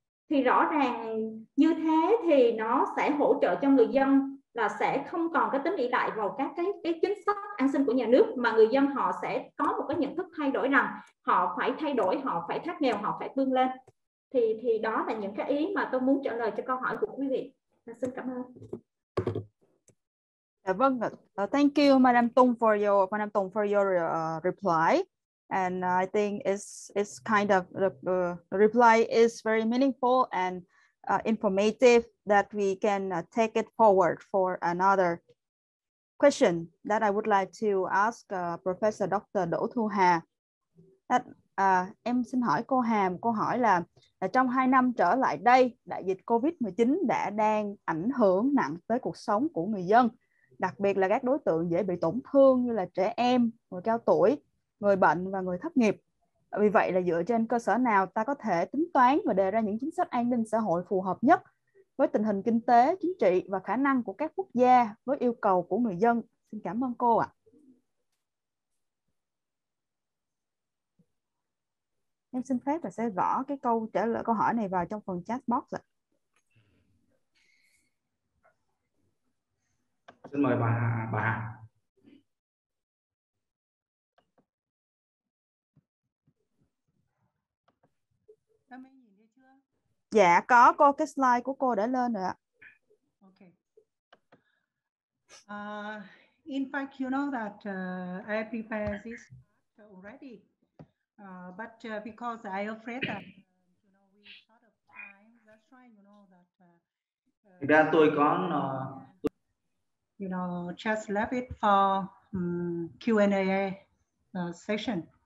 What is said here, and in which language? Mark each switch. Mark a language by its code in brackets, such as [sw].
[vi] Thì rõ ràng như thế thì nó sẽ hỗ trợ cho người dân là sẽ không còn cái tính ỷ lại vào các cái chính sách an sinh của nhà nước, mà người dân họ sẽ có một cái nhận thức thay đổi rằng họ phải thay đổi, họ phải thoát nghèo, họ phải vươn lên. Thì đó là những cái ý mà tôi muốn trả lời cho câu hỏi của quý vị. Xin cảm ơn. Vâng, [en] thank you, Madam Tung, for your reply, and I think it's kind of reply is very meaningful and informative that we can take it forward for another question that I would like to ask Professor Dr. [vi] Đỗ Thu Hà. Em xin hỏi cô Hà một câu hỏi là trong 2 năm trở lại đây, đại dịch COVID-19 đã đang ảnh hưởng nặng tới cuộc sống của người dân, đặc biệt là các đối tượng dễ bị tổn thương như là trẻ em, người cao tuổi, người bệnh và người thất nghiệp. Vì vậy là dựa trên cơ sở nào ta có thể tính toán và đề ra những chính sách an ninh xã hội phù hợp nhất với tình hình kinh tế, chính trị và khả năng của các quốc gia với yêu cầu của người dân? Xin cảm ơn cô ạ. Em xin phép là sẽ gõ cái câu trả lời câu hỏi này vào trong phần chat box ạ. Xin mời bà Hà. Các bạn nhìn thấy chưa? Dạ có, cô cái slide của cô đã lên rồi ạ. [en] Ok. In fact, you know that I prepared this already. But because I afraid that you know we out of time, that's why you know that you know just left it for Q&A session.